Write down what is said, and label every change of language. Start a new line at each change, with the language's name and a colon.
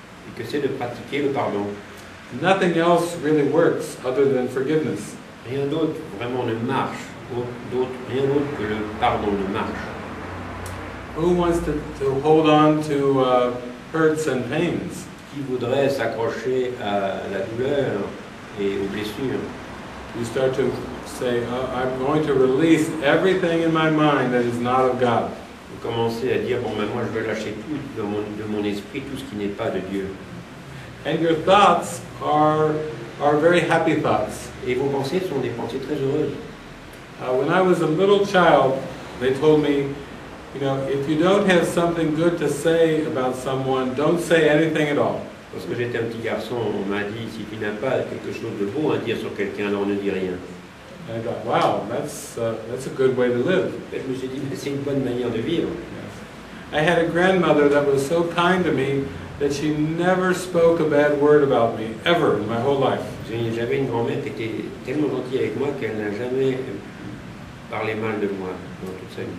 French: Et que c'est de pratiquer le pardon.
English: Nothing else really works other than forgiveness.
French: Rien d'autre vraiment ne marche. Rien d'autre que le pardon ne marche.
English: Who wants to hold on to hurts and pains?
French: Qui voudrait s'accrocher à la douleur et aux blessures?
English: You start to say, I'm going to release everything in my mind that is not of God.
French: Vous commencez à dire, bon, mais moi, je vais lâcher tout de mon esprit, tout ce qui n'est pas de Dieu.
English: And your thoughts are very happy thoughts.
French: Et vos pensées sont des pensées très heureuses.
English: When I was a little child, they told me, you know, if you don't have something good to say about someone, don't say anything at all.
French: Parce que j'étais un petit garçon, on m'a dit, si tu n'as pas quelque chose de bon à dire sur quelqu'un, alors ne dis rien.
English: And I thought, wow, that's a good way to live.
French: Et je me suis dit, c'est une bonne manière de vivre.
English: Yes. I had a grandmother that was so kind to me that she never spoke a bad word about me, ever, in my whole life.
French: J'avais une grand-mère qui était tellement gentille avec moi qu'elle n'a jamais parlé mal de moi dans toute sa vie.